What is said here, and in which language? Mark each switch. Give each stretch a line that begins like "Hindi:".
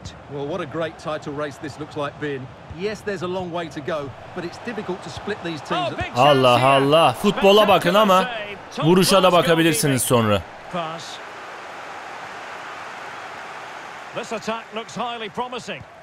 English: Well, what a great title race this looks like being. Yes, there's a long way to go, but it's difficult to split these teams.
Turkish: Allah Allah. Futbola bakın ama vuruşa da bakabilirsiniz sonra.
English: This attack looks highly promising.